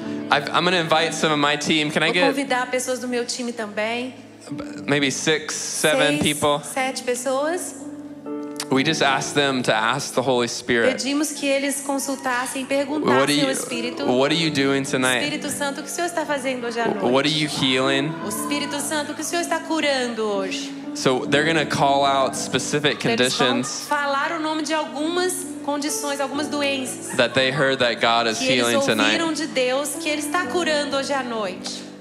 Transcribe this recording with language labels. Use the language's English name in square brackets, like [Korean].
[English] I'm going to invite some of my team. Can I get? [Portuguese] Vou convidar pessoas do meu time também. [English] Maybe six, seven people. [Portuguese] Sete pessoas. [English] We just ask them to ask the Holy Spirit. [Portuguese] Pedimos que eles consultassem, perguntassem ao Espírito. [English] What are you doing tonight? [Portuguese] Espírito Santo, o que o Senhor está fazendo hoje à noite? [English] What are you healing? [Portuguese] O Espírito Santo, o que o Senhor está curando hoje? [English] So they're going to call out specific conditions. [Portuguese] Eles vão falar o nome de algumas condições, algumas doenças. [English] That they heard that God is healing tonight. [Portuguese] Que eles ouviram de Deus que ele está curando hoje à noite.